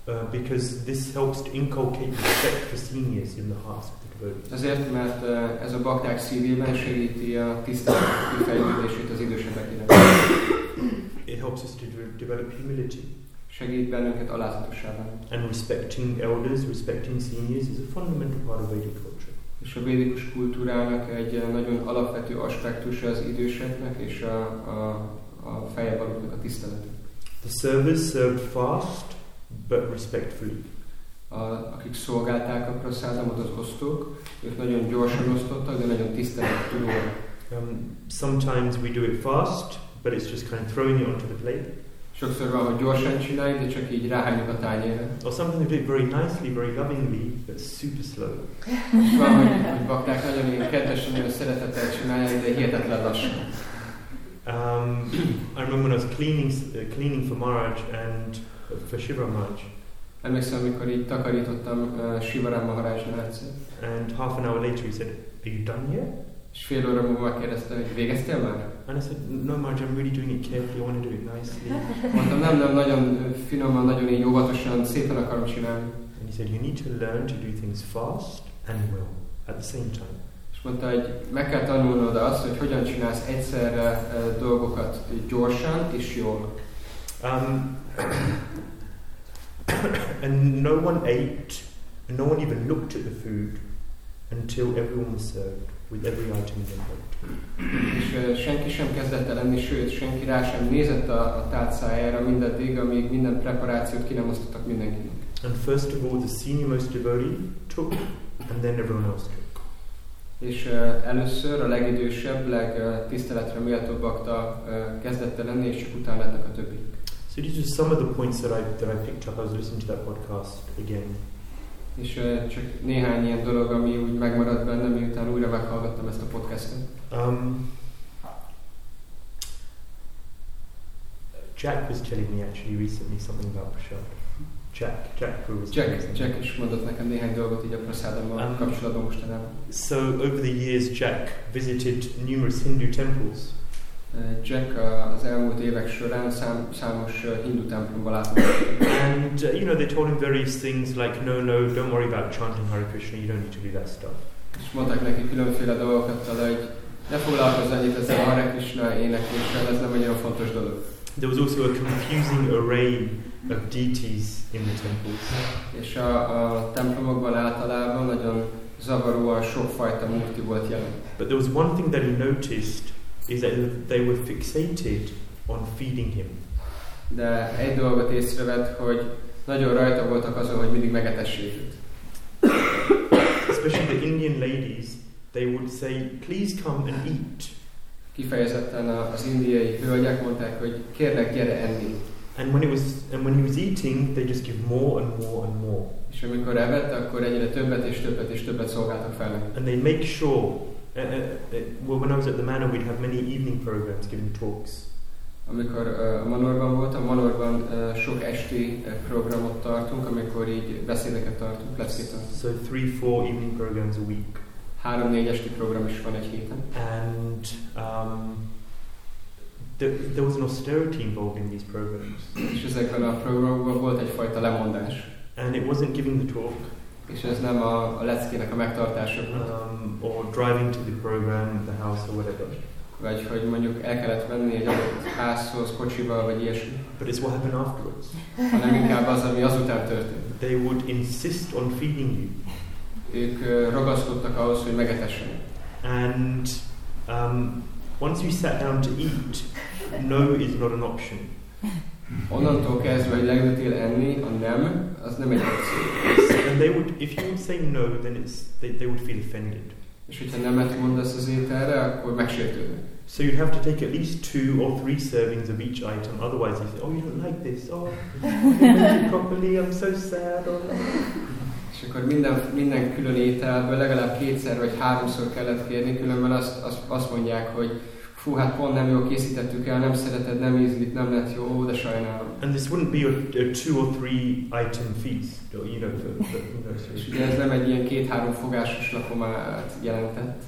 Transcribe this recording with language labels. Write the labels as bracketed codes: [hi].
[en] Because this helps to inculcate respect for seniors in the hearts of the devotees. [hu] Azért, mert ez a bakták szívében segíti a tiszteletet, kifejlődését az idősebbek iránt. [en] It helps us to develop humility. [hu] Segít bennünket alázatossá válni. [en] And respecting elders, respecting seniors is a fundamental part of Vedic culture. [hu] És a védikus kultúrának egy nagyon alapvető aspektusa az időseknek és a fejevalóknak a tisztelet. [en] The service served fast, but respectfully. [hu] Akik szolgálták a prasádamot, az osztók, ők nagyon gyorsan osztottak, de nagyon tisztelettudóan. [en] Sometimes we do it fast, but it's just kind of throwing it onto the plate. [hu] Sokszor van, hogy gyorsan csináljuk, de csak így ráhányjuk a tányérre. [en] Or something they do very nicely, very lovingly, but super slow. [hu] Van, hogy bakták nagyon ilyen kedvesen, nagyon szeretettel csinálják, de hihetetlen lassan. [en] I remember when I was cleaning for Maharaj and for Shiva Maharaj. [hu] Emlékszem, amikor így takarítottam Shivaram Maharajnál egyszer. [en] And half an hour later he said, "Are you done yet?" [hu] És fél óra múlva kérdezte, hogy végeztél már? [en] And I said, "No, Maharaj, I'm really doing it carefully. I want to do it nicely." [hu] Mondtam, nem, nagyon finoman, nagyon így óvatosan, szépen akarom csinálni. [en] And he said, "You need to learn to do things fast and well at the same time." [hu] És mondta, hogy meg kell tanulnod azt, hogy hogyan csinálsz egyszerre dolgokat gyorsan és jól. [en] And no one ate, and no one even looked at the food until everyone was served with every item they brought. [hu] És senki sem kezdett el enni, sőt, senki rá sem nézett a tálcájára mindaddig, amíg minden preparációt ki nem osztottak mindenkinek. [en] And first of all, the senior most devotee took, and then everyone else took. [hu] És először a legidősebb, legtiszteletre méltó bakta kezdett el enni, és csak utána lettek a többiek. [en] So these are some of the points that I picked up as I listened to that podcast again. [hu] És csak néhány ilyen dolog, ami úgy megmaradt bennem, miután újra meghallgattam ezt a podcastot. [en] Jack was telling me actually recently something about Prasad. [hu] Jack is mondott nekem néhány dolgot így a prasádammal kapcsolatban mostanában. [en] So over the years Jack visited numerous Hindu temples. [hu] Jack az elmúlt évek során számos hindu templomba látott. [en] And you know they told him various things like no, don't worry about chanting Hare Krishna, you don't need to do that stuff. [hu] És mondták neki különféle dolgokat, hogy ne foglalkozz annyit ezzel a Hare Krishna énekléssel, ez nem egy olyan fontos dolog. [en] There was also a confusing array of deities in the temples. [hu] És a templomokban általában nagyon zavaróan sokfajta murti volt jelen. [en] But there was one thing that he noticed is that they were fixated on feeding him. [hu] De egy dolgot észrevett, hogy nagyon rajta voltak azon, hogy mindig megetessék őt. [en] Especially the Indian ladies, they would say, please come and eat. [hu] Kifejezetten az indiai hölgyek mondták, hogy kérlek, gyere enni. [en] And when he was eating, they just give more and more and more. [hu] És amikor evett, akkor egyre többet és többet és többet szolgáltak fel. [en] And they make sure. When I was at the manor, we'd have many evening programs, giving talks. [hu] Amikor a manorban voltam, manorban sok esti programot tartunk, amikor így beszédeket tartunk, leszítem. [en] So 3-4 evening programs a week. [hu] 3-4 esti program is van egy héten. [en] And there was an austerity involved in these programs. [hu] És ezekben a programokban volt egyfajta lemondás. [en] And it wasn't giving the talk. [hu] És ez nem a leckének a megtartása volt. [en] Or driving to the program, the house, or whatever. [hu] Vagy hogy mondjuk el kellett menni egy adott házhoz, kocsival, vagy ilyesmi. [en] But it's what happened afterwards. [hu] Hanem inkább az, ami azután történt. [en] They would insist on feeding you. [hu] Ők ragaszkodtak ahhoz, hogy megetessen. [en] And once you sat down to eat, no is not an option. [hu] Onnantól kezdve, hogy leültél enni, a nem, az nem egy opció. [en] And they would, if you would say no, then it's they would feel offended. [hu] És hogyha nemet mondasz az ételre, akkor megsértődnek. [en] So you'd have to take at least 2 or 3 servings of each item, otherwise you say, oh, you don't like this, oh, you didn't eat it properly, I'm so sad. [hu] És akkor minden külön ételből legalább 2-szer vagy 3-szor kellett kérni, különben azt mondják, hogy fú, hát pont nem jól készítettük el, nem szereted, nem ízlik, nem lett jó, de sajnálom. [en] And this wouldn't be a 2 or 3 item feast, or, you know, for [hu] ez nem egy ilyen 2-3 fogásos lakomát jelentett.